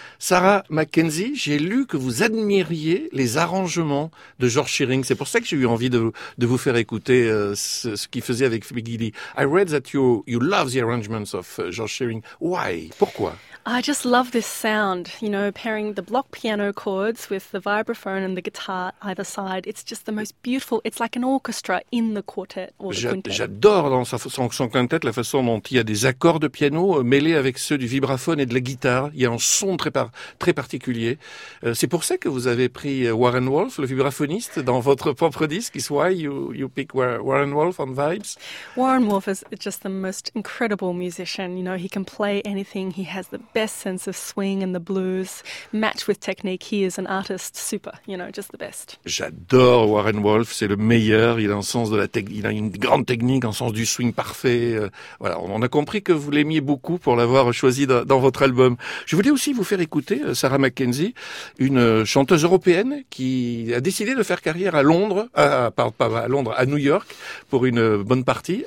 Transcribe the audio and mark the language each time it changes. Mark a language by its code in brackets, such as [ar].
[fr] Sarah McKenzie, j'ai lu que vous admiriez les arrangements de George Shearing. C'est pour ça que j'ai eu envie de vous faire écouter ce qu'il faisait avec Peggy Lee. [en] I read that you love the arrangements of George Shearing. Why? [fr] Pourquoi? [en] I just love this sound, you know, pairing the block piano chords with the vibraphone and the guitar either side. It's just the most beautiful. It's like an orchestra in the quartet or the quintet. [fr] J'adore dans son quintet la façon dont il y a des accords de piano mêlés avec ceux du vibraphone et de la guitare. Il y a un son très particulier. C'est pour ça que vous avez pris Warren Wolf, le vibraphoniste, dans votre propre disque. [en] It's why you pick Warren Wolf on Vibes. Warren Wolf is just the most incredible musician. You know, he can play anything. He has the best sense of swing and the blues, matched with technique. He is an artist, super, you know, just the best. [fr] J'adore Warren Wolf, c'est le meilleur. Il a un sens de la technique, il a une grande technique, un sens du swing parfait. Voilà, on a compris que vous l'aimiez beaucoup pour l'avoir choisi dans votre album. Je voulais aussi vous faire écouter Sarah McKenzie, une chanteuse européenne qui a décidé de faire carrière à Londres, à New York, pour une bonne partie.